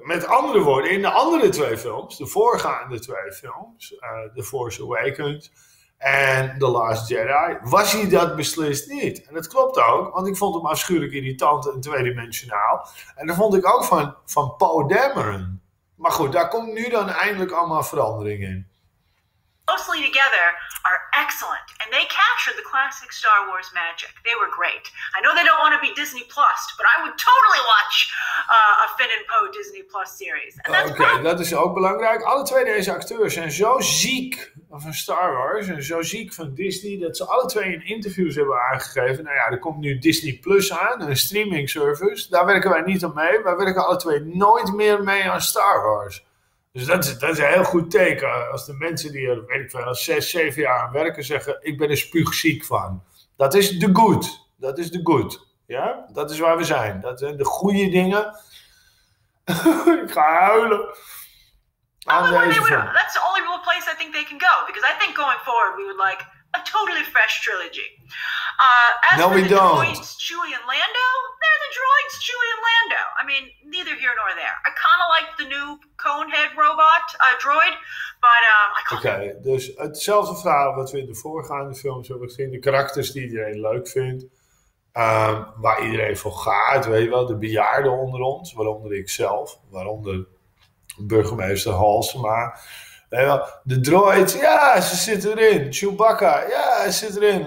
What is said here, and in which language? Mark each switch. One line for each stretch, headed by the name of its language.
Dutch: Met andere woorden, in de andere twee films, de voorgaande twee films, The Force Awakens en The Last Jedi, was hij dat beslist niet. En dat klopt ook, want ik vond hem afschuwelijk irritant en tweedimensionaal. En dat vond ik ook van Poe Dameron. Maar goed, daar komt nu dan eindelijk allemaal verandering in.
English: Mostly together are excellent. And they captured the classic Star Wars magic. They were great. I know they don't want to be Disney Plus, but I would totally watch a Finn and Poe Disney Plus series.
Dutch: Oké, dat is ook belangrijk. Alle twee deze acteurs zijn zo ziek van Star Wars en zo ziek van Disney dat ze alle twee in interviews hebben aangegeven. Nou ja, er komt nu Disney Plus aan, een streaming service. Daar werken wij niet aan mee. Wij werken alle twee nooit meer mee aan Star Wars. Dus dat is een heel goed teken als de mensen die er, weet ik wel, 6-7 jaar aan werken zeggen, ik ben er spuugziek van. Dat is de good. Dat is de good. Ja, dat is waar we zijn. Dat zijn de goede dingen. Ik ga huilen.
English: That's the only real place I think they can go, because I think going forward we would like a totally fresh trilogy. Droids Chewie and Lando, they're the droids Chewie and Lando. I mean, neither here nor there. I kind of like the new conehead robot droid, but
Dutch: dus hetzelfde verhaal wat we in de voorgaande films hebben gezien, de karakters die iedereen leuk vindt, waar iedereen voor gaat, weet je wel, de bejaarden onder ons, waaronder ik zelf, waaronder burgemeester Halsema. De droids, ja, ze zitten erin. Chewbacca, ja, zit erin.